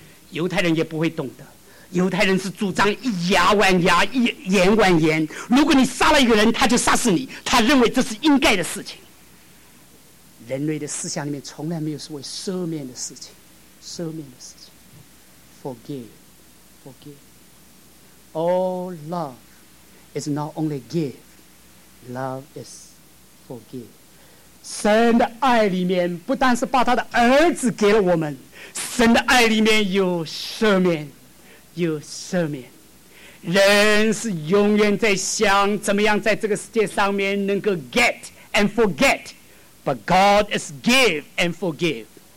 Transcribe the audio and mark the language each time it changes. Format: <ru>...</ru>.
<zh>犹太人也不会懂得，犹太人是主张以牙还牙，以眼还眼，如果你杀了一个人他就杀死你，他认为这是应该的事情。人类的思想里面从来没有所谓赦免的事情，赦免的事情</zh> <en>forgive all love。 It's not only give, love is forgive.</en> <zh>神的爱里面不但是把他的儿子给了我们，神的爱里面有赦免，有赦免。人是永远在想怎么样在这个世界上面能够</zh> <en>get and forget, but God is give and forgive.</en>